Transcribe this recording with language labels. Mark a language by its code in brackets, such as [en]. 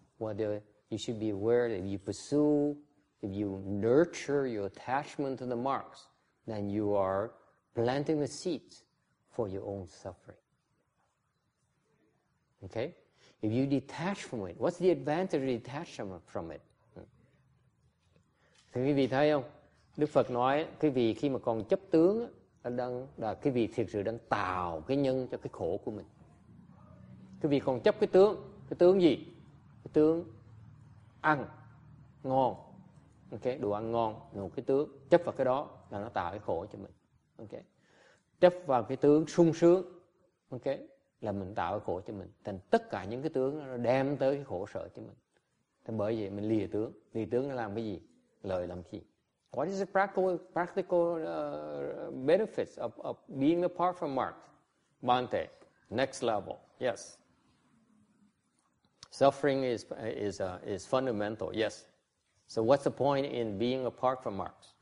[en] Whether you should be aware that if you pursue, if you nurture your attachment to the marks, then you are planting the seeds for your own suffering. Okay? If you detach from it, what's the advantage of detaching from it? [vi] Thì quý vị thấy không? Đức Phật nói quý vị khi mà còn chấp tướng là quý vị thiệt sự đang tạo cái nhân cho cái khổ của mình. Quý vị còn chấp cái tướng gì? Cái tướng ăn ngon. Ok, đồ ăn ngon là cái tướng, chấp vào cái đó là nó tạo cái khổ cho mình. Ok. Chấp vào cái tướng sung sướng. Ok, là mình tạo cái khổ cho mình. Thành tất cả những cái tướng nó đem tới cái khổ sở cho mình. Thì bởi vậy mình lìa tướng. Lìa tướng nó làm cái gì? Lời làm chi? [en] What is the practical benefits of being apart from Mark? Bante, next level. Yes. Suffering is fundamental. Yes. So what's the point in being apart from Mark?